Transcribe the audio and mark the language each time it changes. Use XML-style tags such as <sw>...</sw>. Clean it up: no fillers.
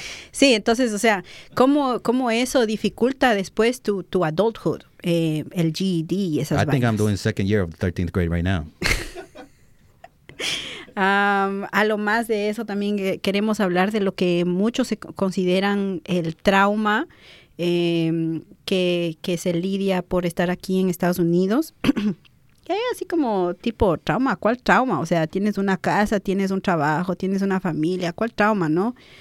<es>Sí, entonces, o sea, ¿cómo eso dificulta después tu adulthood, el GED y esas vainas?</es> <en>I think I'm doing second year of the 13th grade right now.</en> <es>A lo más de eso, también queremos hablar de lo que muchos se consideran el trauma que se lidia por estar aquí en Estados Unidos. Así como tipo trauma, ¿cuál trauma? O sea, tienes una casa, tienes un trabajo, tienes una familia, ¿cuál trauma, no?</es>